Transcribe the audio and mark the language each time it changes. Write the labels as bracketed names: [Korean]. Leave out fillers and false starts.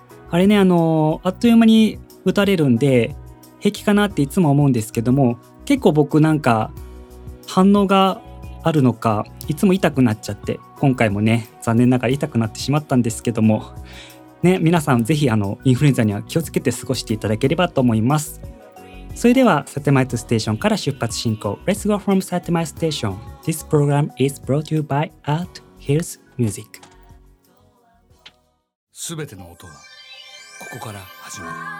[Japanese] あれね、あっという間に打たれるんで平気かなっていつも思うんですけども、結構僕なんか反応があるのか、いつも痛くなっちゃって、今回もね残念ながら痛くなってしまったんですけどもね、皆さんぜひインフルエンザには気をつけて過ごしていただければと思います。それではサテマイトステーションから出発進行、 [English] Let's go from Satellite Station. This program is brought to you by Art Hills Music. [Japanese] すべての音はここから始まる。